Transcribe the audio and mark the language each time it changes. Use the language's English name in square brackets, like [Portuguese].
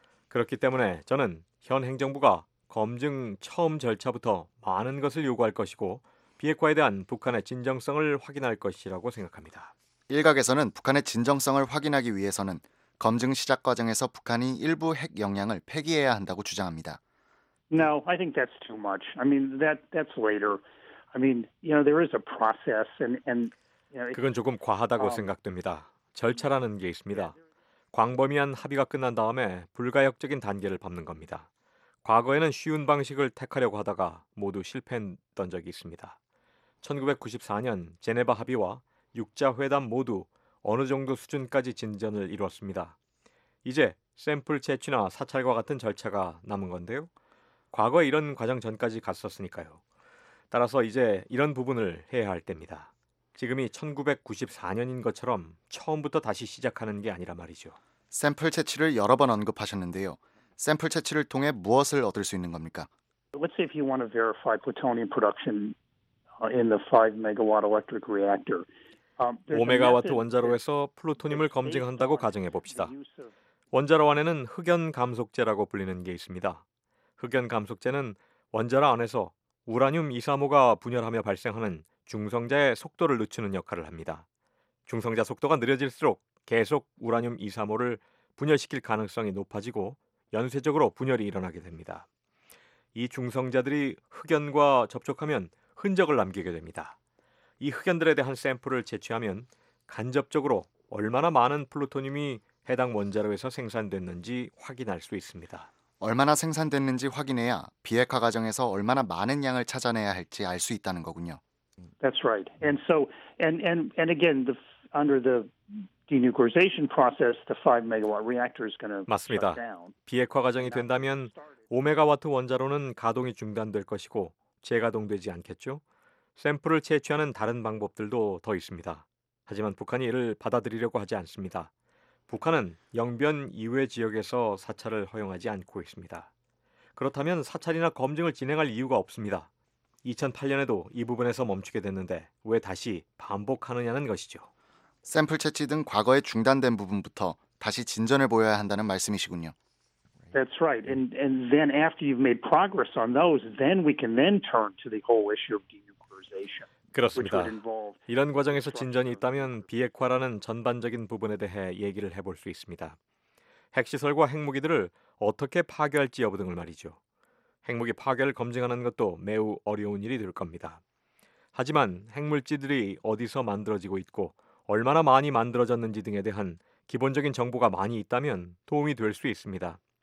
[Korean] 그렇기 때문에 저는 현 행정부가 검증 처음 절차부터 많은 것을 요구할 것이고 비핵화에 대한 북한의 진정성을 확인할 것이라고 생각합니다. 일각에서는 북한의 진정성을 확인하기 위해서는 검증 시작 과정에서 북한이 일부 핵 역량을 폐기해야 한다고 주장합니다. [English] No, I think that's too much. I mean, that's later. I mean, you know, there is a process and you know, [Korean] 그건 조금 과하다고 생각됩니다. 절차라는 게 있습니다. 광범위한 합의가 끝난 다음에 불가역적인 단계를 밟는 겁니다. 과거에는 쉬운 방식을 택하려고 하다가 모두 실패했던 적이 있습니다. 1994년 제네바 합의와 6자회담 모두 어느 정도 수준까지 진전을 이루었습니다. 이제 샘플 채취나 사찰과 같은 절차가 남은 건데요. 과거에 이런 과정 전까지 갔었으니까요. 따라서 이제 이런 부분을 해야 할 때입니다. 지금이 1994년인 것처럼 처음부터 다시 시작하는 게 아니라 말이죠. 샘플 채취를 여러 번 언급하셨는데요. 샘플 채취를 통해 무엇을 얻을 수 있는 겁니까? [English] Let's say if you want to verify plutonium production in the 5 megawatt electric reactor. [Korean] 5메가와트 원자로에서 플루토늄을 검증한다고 가정해봅시다. 원자로 안에는 흑연감속제라고 불리는 게 있습니다. 흑연감속제는 원자로 안에서 우라늄 235가 분열하며 발생하는 중성자의 속도를 늦추는 역할을 합니다. 중성자 속도가 느려질수록 계속 우라늄 235를 분열시킬 가능성이 높아지고 연쇄적으로 분열이 일어나게 됩니다. 이 중성자들이 흑연과 접촉하면 흔적을 남기게 됩니다. 이 흑연들에 대한 샘플을 채취하면 간접적으로 얼마나 많은 플루토늄이 해당 원자로에서 생산됐는지 확인할 수 있습니다. 얼마나 생산됐는지 확인해야 비핵화 과정에서 얼마나 많은 양을 찾아내야 할지 알 수 있다는 거군요. [English] That's right. And so and again the under the denuclearization process the 5 megawatt reactor is going to shut down. [Korean] 맞습니다. 비핵화 과정이 된다면 5메가와트 원자로는 가동이 중단될 것이고 재가동되지 않겠죠? 샘플을 채취하는 다른 방법들도 더 있습니다. 하지만 북한이 이를 받아들이려고 하지 않습니다. 북한은 영변 이외 지역에서 사찰을 허용하지 않고 있습니다. 그렇다면 사찰이나 검증을 진행할 이유가 없습니다. 2008년에도 이 부분에서 멈추게 됐는데 왜 다시 반복하느냐는 것이죠. 샘플 채취 등 과거에 중단된 부분부터 다시 진전을 보여야 한다는 말씀이시군요. [English] That's right. And then after you've made progress on those, then we can then turn to the whole issue of denuclearization. [Korean] 그렇습니다. 이런 과정에서 진전이 있다면 비핵화라는 전반적인 부분에 대해 얘기를 해볼 수 있습니다. 핵시설과 핵무기들을 어떻게 파괴할지 여부 등을 말이죠. 핵무기 파괴를 검증하는 것도 매우 어려운 일이 될 겁니다. 하지만 핵물질들이 어디서 만들어지고 있고 얼마나 많이 만들어졌는지 등에 대한 기본적인 정보가 많이 있다면 도움이 될 수 있습니다.